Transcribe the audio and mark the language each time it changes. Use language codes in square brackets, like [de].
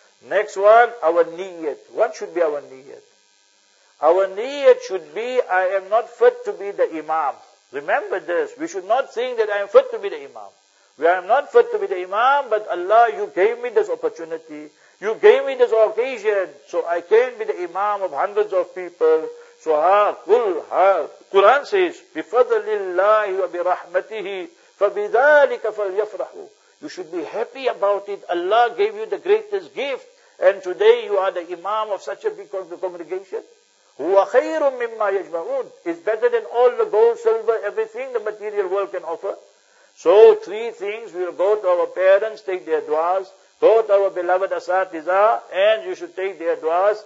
[en] Next one, our niyyat. What should be our niyyat? Our niyyat should be, I am not fit to be the imam. Remember this, we should not think that I am fit to be the imam. We are not fit to be the imam, but Allah, you gave me this opportunity. You gave me this occasion, so I can be the imam of hundreds of people. So, Quran says, [ar] بِفَضْلِ اللَّهِ وَبِرَحْمَتِهِ فَبِذَٰلِكَ فَلْيَفْرَحُ. [en] You should be happy about it. Allah gave you the greatest gift, and today you are the imam of such a big congregation. [ar] Huwa khayrun mimma yajma'un, [en] is better than all the gold, silver, everything the material world can offer. So three things, we will go to our parents, take their du'as, go to our beloved asatiza, and you should take their du'as.